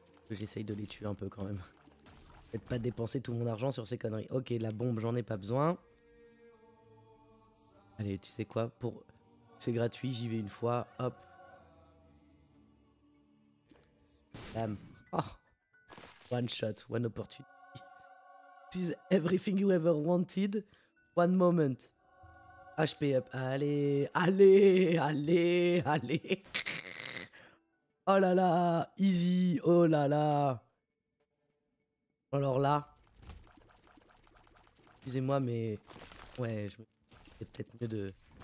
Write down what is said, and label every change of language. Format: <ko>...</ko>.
<fr>J'essaye de les tuer un peu quand même. Peut-être pas dépenser tout mon argent sur ces conneries. Ok, la bombe, j'en ai pas besoin. Allez, tu sais quoi, pour... C'est gratuit, j'y vais une fois, hop. Bam. Oh.</fr> <en>One shot, one opportunity. This is everything you ever wanted. One moment. HP up.</en> <fr>Allez, allez, allez, allez. Oh là là, easy. Oh là là. Alors là. Excusez-moi, mais... Ouais, c'est peut-être mieux de...</fr>